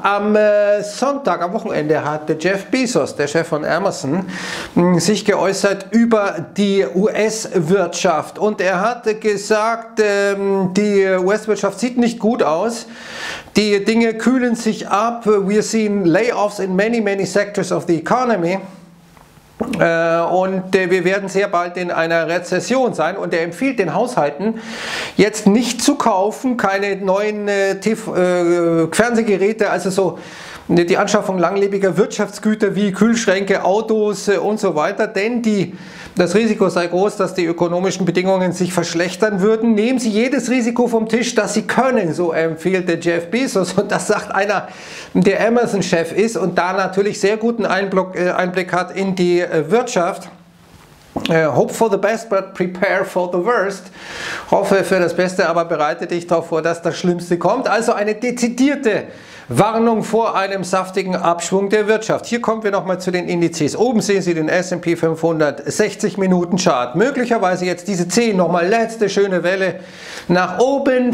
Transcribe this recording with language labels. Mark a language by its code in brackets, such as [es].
[de] Am Sonntag, am Wochenende, hat Jeff Bezos, der Chef von Amazon, sich geäußert über die US-Wirtschaft und er hat gesagt, die US-Wirtschaft sieht nicht gut aus. Die Dinge kühlen sich ab. [en] We're seeing layoffs in many, many sectors of the economy. [de] Und wir werden sehr bald in einer Rezession sein. Und er empfiehlt den Haushalten, jetzt nicht zu kaufen, keine neuen Fernsehgeräte, also so die Anschaffung langlebiger Wirtschaftsgüter wie Kühlschränke, Autos und so weiter, denn das Risiko sei groß, dass die ökonomischen Bedingungen sich verschlechtern würden. Nehmen Sie jedes Risiko vom Tisch, das Sie können, so empfiehlt der Jeff Bezos. Und das sagt einer, der Amazon-Chef ist und da natürlich sehr guten Einblick hat in die Wirtschaft. [en] Hope for the best, but prepare for the worst. [de] Hoffe für das Beste, aber bereite dich darauf vor, dass das Schlimmste kommt. Also eine dezidierte Warnung vor einem saftigen Abschwung der Wirtschaft. Hier kommen wir nochmal zu den Indizes. Oben sehen Sie den S&P 500 60 Minuten Chart. Möglicherweise jetzt diese 10 nochmal letzte schöne Welle nach oben.